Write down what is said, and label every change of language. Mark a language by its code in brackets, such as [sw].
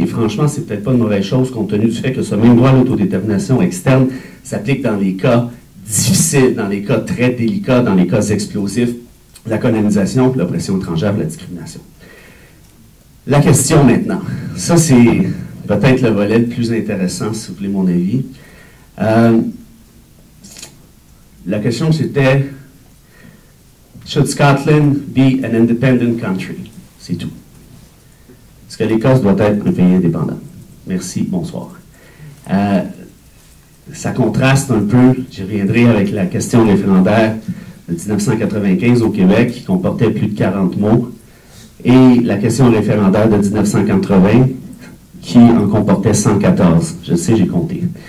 [fr] Et franchement, c'est peut-être pas une mauvaise chose compte tenu du fait que ce même droit à l'autodétermination externe s'applique dans les cas difficiles, dans les cas très délicats, dans les cas explosifs, la colonisation, puis l'oppression étrangère, puis la discrimination. La question maintenant, ça c'est peut-être le volet le plus intéressant, si vous voulez mon avis. La question c'était, [en] should Scotland be an independent country? [fr] C'est tout. Est-ce que l'Écosse doit être un pays indépendant? Merci, bonsoir. Ça contraste un peu, j'y reviendrai, avec la question référendaire de 1995 au Québec, qui comportait plus de 40 mots, et la question référendaire de 1980, qui en comportait 114. Je sais, j'ai compté.